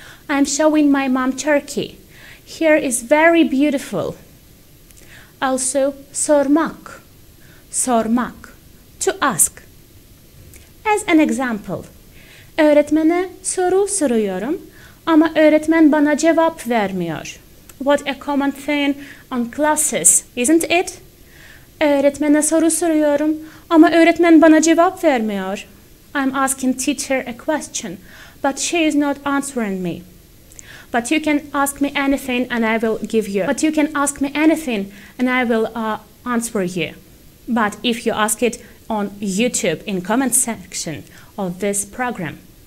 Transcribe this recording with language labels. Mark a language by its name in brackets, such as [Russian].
[English] I'm showing my mom Turkey. Here is very beautiful. Also, sormak. Sormak. To ask. As an example. [Turkish] Öğretmene soru soruyorum ama öğretmen bana cevap vermiyor. [English] What a common thing on classes, isn't it? [Turkish] Öğretmene soru soruyorum ama öğretmen bana cevap vermiyor. [English] I'm asking teacher a question, but she is not answering me. But you can ask me anything and I will give you. But you can ask me anything and I will answer you. But if you ask it on YouTube in comment section of this program.